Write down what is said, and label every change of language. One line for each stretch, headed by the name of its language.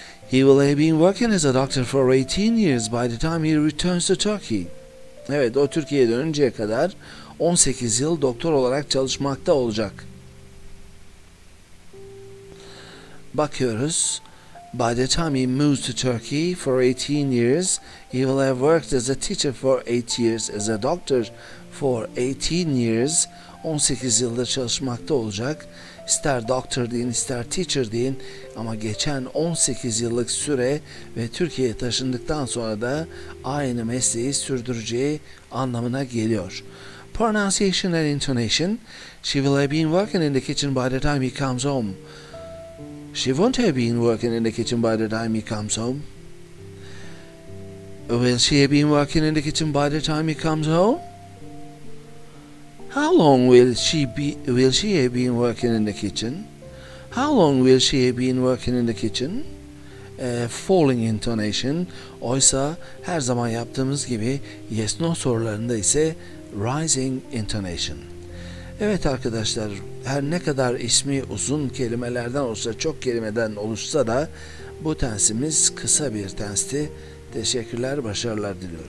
English: He will have been working as a doctor for 18 years by the time he returns to Turkey.
Turkish: Evet, o Türkiye'ye dönünceye kadar 18 yıl doktor olarak çalışmakta olacak. Bakıyoruz.
English: By the time he moves to Turkey for 18 years, he will have worked as a teacher for 8 years, as a doctor for 18 years.
Turkish: 18 yıldır çalışmakta olacak. İster doktor deyin, ister teacher deyin. Ama geçen 18 yıllık süre ve Türkiye'ye taşındıktan sonra da aynı mesleği sürdüreceği anlamına geliyor.
English: Pronunciation and intonation. She will have been working in the kitchen by the time he comes home. She won't have been working in the kitchen by the time he comes home. Will she have been working in the kitchen by the time he comes home? How long will she have been working in the kitchen? How long will she have been working in the kitchen? Falling intonation.
Turkish: Oysa her zaman yaptığımız gibi yes no sorularında ise rising intonation. Evet arkadaşlar, her ne kadar ismi uzun kelimelerden olsa, çok kelimeden oluşsa da bu tensimiz kısa bir tensti. Teşekkürler, başarılar diliyorum.